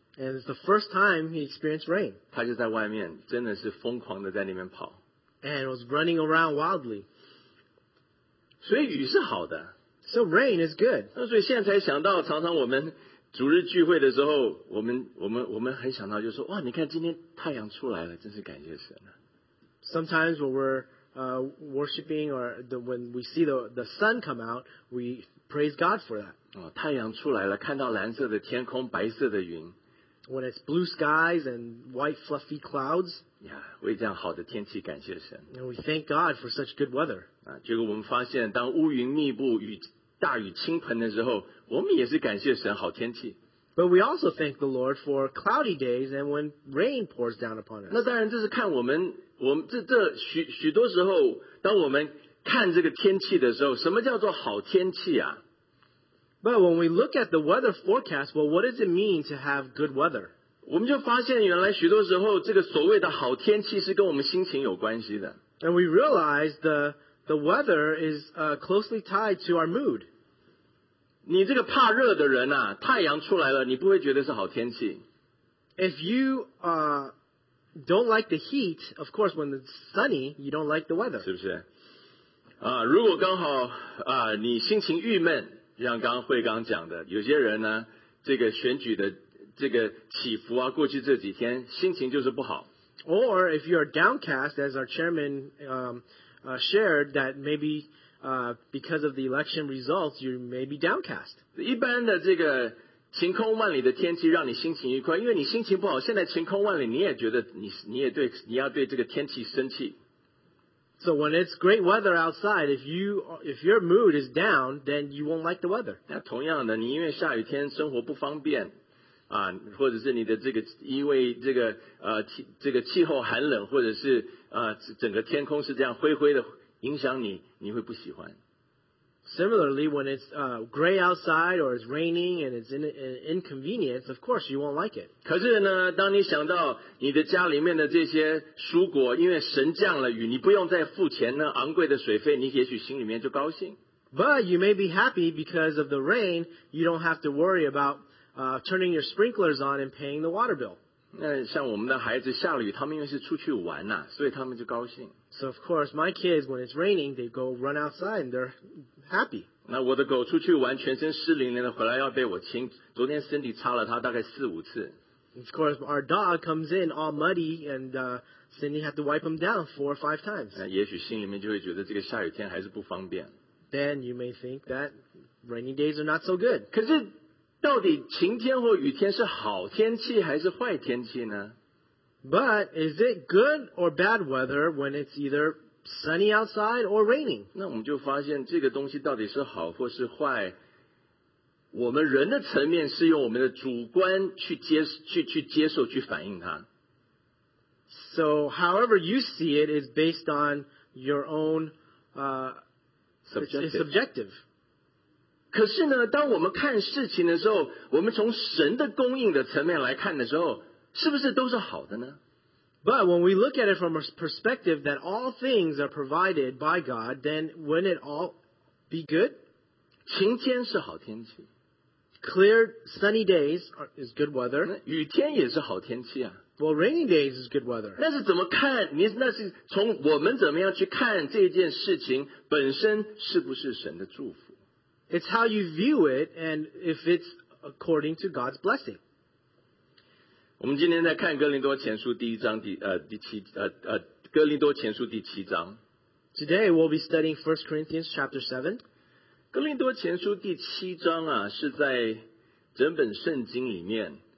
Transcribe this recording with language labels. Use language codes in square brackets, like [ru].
[en] And it's the first time he experienced rain. [zh] 他就在外面，真的是疯狂的在里面跑。 [en] And was running around wildly. [zh] 所以雨是好的。 [en] So rain is good. [zh] 所以现在才想到，常常我们主日聚会的时候，我们很想到就是说，哇，你看今天太阳出来了，真是感谢神啊。 [en] Sometimes when we're worshiping or when we see the sun come out, we praise God for that. [zh] 太阳出来了，看到蓝色的天空，白色的云。 [en] When it's blue skies and white fluffy clouds, [zh] yeah, 为这样好的天气感谢神。 [en] And we thank God for such good weather. [zh] 结果我们发现，当乌云密布、雨大雨倾盆的时候，我们也是感谢神好天气。 [en] But we also thank the Lord for cloudy days and when rain pours down upon us. [zh] 那当然，这是看我们这许多时候，当我们看这个天气的时候，什么叫做好天气啊？ [en] But when we look at the weather forecast, well, what does it mean to have good weather? [zh] 我们就发现原来许多时候这个所谓的好天气是跟我们心情有关系的。 [en] And we realize the weather is closely tied to our mood. [zh] 你这个怕热的人啊，太阳出来了，你不会觉得是好天气。 [en] If you don't like the heat, of course, when it's sunny, you don't like the weather. [zh] 是不是？如果刚好你心情郁闷。就像刚刚慧刚讲的，有些人呢，这个选举的这个起伏啊，过去这几天心情就是不好。 [en] Or if you are downcast, as our chairman shared that maybe because of the election results, you may be downcast. [zh] 一般的这个晴空万里的天气让你心情愉快，因为你心情不好，现在晴空万里，你也觉得你要对这个天气生气。 [en] So when it's great weather outside, if your mood is down, then you won't like the weather. [zh] 那同样的，你因为下雨天生活不方便，或者是你的这个因为这个这个气候寒冷，或者是整个天空是这样灰灰的，影响你，你会不喜欢。 [en] Similarly, when it's gray outside or it's raining and it's an inconvenience, of course you won't like it. [zh] 可是呢，当你想到你的家里面的这些蔬果，因为神降了雨，你不用再付钱那昂贵的水费，你也许心里面就高兴。 [en] But you may be happy because of the rain, you don't have to worry about turning your sprinklers on and paying the water bill. [zh] 那像我们的孩子下了雨，他们因为是出去玩呐，所以他们就高兴。 [en] So of course, my kids, when it's raining, they go run outside and they're happy. [zh] 那我的狗出去玩，全身湿淋淋的，回来要被我亲。昨天身体擦了它大概四五次。 [en] Of course, our dog comes in all muddy, and Cindy had to wipe him down 4 or 5 times. [zh] 那也许心里面就会觉得这个下雨天还是不方便。 [en] Then you may think that rainy days are not so good. [zh] 可是到底晴天或雨天是好天气还是坏天气呢？ [en] But is it good or bad weather when it's either sunny outside or raining? [zh] 那我们就发现这个东西到底是好或是坏，我们人的层面是用我们的主观去接受去反映它。 [en] So however you see it is based on your own subjective. [zh] 可是呢，当我们看事情的时候，我们从神的供应的层面来看的时候，是不是都是好的呢？ [en] But when we look at it from a perspective that all things are provided by God, then wouldn't it all be good? [zh] 晴天是好天气。 [en] Clear sunny days is good weather. [zh] 雨天也是好天气啊。 [en] Well, rainy days is good weather. [zh] 那是怎么看？你那是从我们怎么样去看这件事情本身是不是神的祝福？ [en] It's how you view it, and if it's according to God's blessing. [zh] 我们今天在看哥林多前书第七章。 [en] Today we'll be studying 1 Corinthians chapter 7. [zh] 哥林多前书第七章啊，是在整本圣经里面。